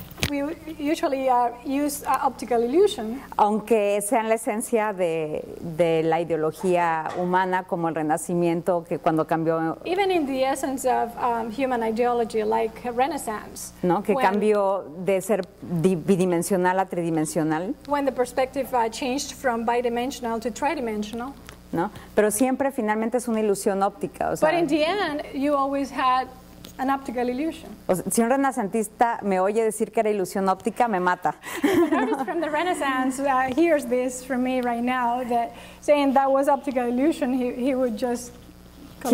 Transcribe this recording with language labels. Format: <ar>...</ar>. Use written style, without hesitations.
<en>We usually use optical illusion.</en> <es>Aunque sean la esencia de la ideología humana, como el Renacimiento, que cuando cambió.</es> <en>Even in the essence of human ideology, like Renaissance.</en> <es>No, que cambió de ser bidimensional a tridimensional.</es> <en>When the perspective changed from bidimensional to tridimensional.</en> <es>No, pero siempre finalmente es una ilusión óptica. O sea,</es> <en>but in the end, you always had. An optical illusion.</en> <es>O sea, si un renacentista me oye decir que era ilusión óptica, me mata.</es> <en>From the Renaissance, hears this from me right now that saying that was optical illusion, he would just collapse.</en>